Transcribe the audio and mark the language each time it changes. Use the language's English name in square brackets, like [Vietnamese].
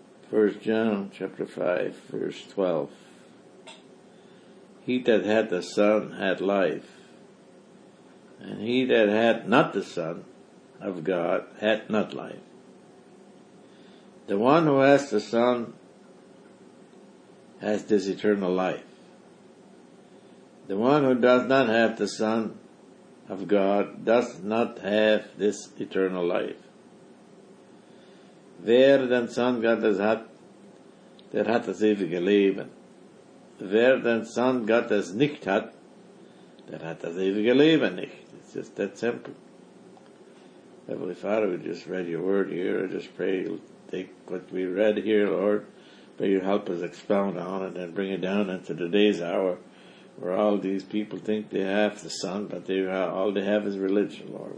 [English] First John chapter 5, verse 12. He that had the Son had life, and he that had not the Son of God had not life. The one who has the Son has this eternal life. The one who does not have the Son of God does not have this eternal life. [German] Wer den Son Gottes hat, der hat das ewige Leben. Wer den Son Gottes nicht hat, der hat das ewige Leben nicht. [English] It's just that simple. Heavenly Father, we just read your word here. I just pray you'll take what we read here, Lord. May you help us expound on it and bring it down into today's hour, where all these people think they have the Son, but all they have is religion, Lord.